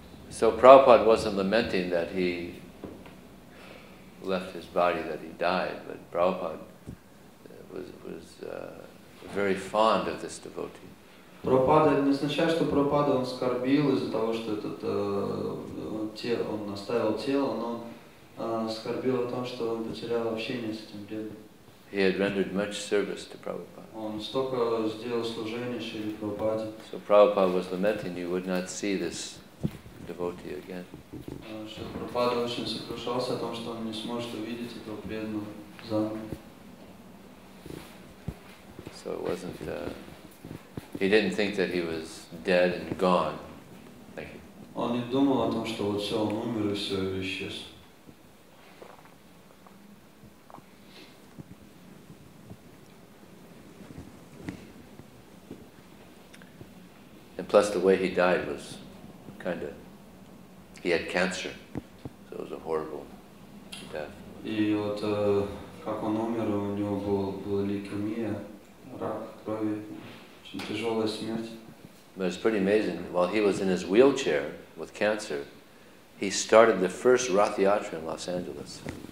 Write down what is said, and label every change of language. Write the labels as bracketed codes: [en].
[en] So Prabhupada wasn't lamenting that he left his body, that he died, but Prabhupada was very fond of this devotee. [ru] Prabhupada не означает, что Prabhupada он скорбил из-за того, что этот тело он оставил тело, но скорбил о том, что он потерял общение с этим преданным. [en] He had rendered much service to Prabhupada. [ru] Он столько сделал служения Шриле Прабхупаде. [en] So Prabhupada was lamenting he would not see this devotee again. [ru] Шриле Прабхупада очень сокрушался о том, что он не сможет увидеть этого преданного заново. [en] So it wasn't. He didn't think that he was dead and gone. [ru] Он не думал о том, что вот все, он умер и все, исчез. [en] And plus the way he died was kind of, he had cancer, so it was a horrible death. [ru] И вот как он умер, у него была лейкемия, рак крови, очень тяжелая смерть. [en] But it's pretty amazing, while he was in his wheelchair, with cancer, he started the first Rath Yatra in Los Angeles.